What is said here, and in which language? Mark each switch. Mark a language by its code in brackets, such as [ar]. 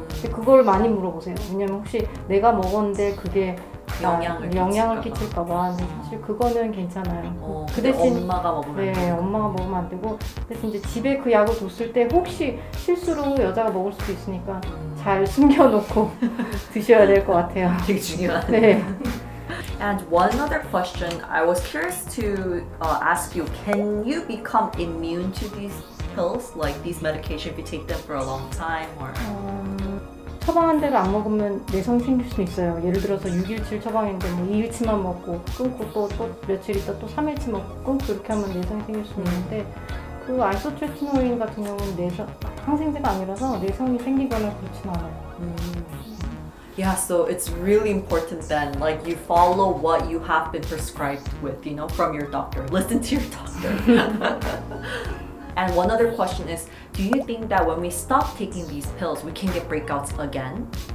[ko] 근데 그걸 많이 물어보세요. 왜냐면 혹시 내가 먹었는데 그게 영향을 끼칠까봐. 사실 그거는 괜찮아요. 그 대신 엄마가 먹으면 네, 엄마가 먹으면 안 되고. 대신 이제 집에 그 약을 뒀을 때 혹시 실수로 여자가 먹을 수도 있으니까 잘 숨겨놓고 드셔야 될 것 같아요. 되게 중요한. 네. [en] And one other question, I was curious to ask you, can you become immune to these pills, like these medications, if you take them for a long time or? [ko] 처방한 대로 안 먹으면 내성 생길 수 있어요. 예를 들어서 6일치를 처방했는데 뭐 2일치만 먹고 끊고 또 며칠 있다 또 3일치 먹고 끊고 이렇게 하면 내성 생길 수 있는데 그 아이소트레티노인 같은 경우는 내성 항생제가 아니라서 내성이 생기거나 그렇진 않아요. [en] Yeah, so it's really important then, like you follow what you have been prescribed with, you know, from your doctor. Listen to your doctor. And one other question is, do you think that when we stop taking these pills, we can get breakouts again?